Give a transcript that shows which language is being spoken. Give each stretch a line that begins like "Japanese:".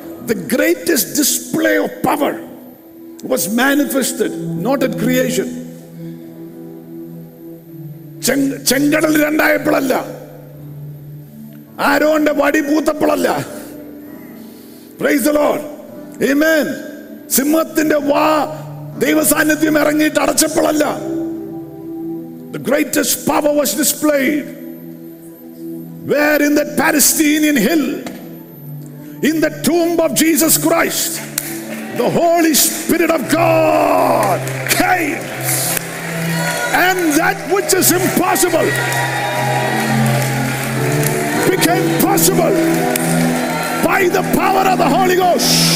English: The greatest display of power was manifested not at creation.
Malayalam: ചെങ്കടൽ രണ്ടായപ്പോഴല്ല, ആരോന്റെ വടി പൂത്തപ്പോഴല്ല.
English: Praise the Lord.
Malayalam: ആമേൻ. സിംഹത്തിന്റെ വാ ദൈവസാന്നിധ്യം ഇറങ്ങിയിട്ട് അടച്ചപ്പോഴല്ല.
English: The greatest power was displayed where in the Palestinian hill in the tomb of Jesus Christ the Holy Spirit of God came. And that which is impossible became possible by the power of the Holy Ghost.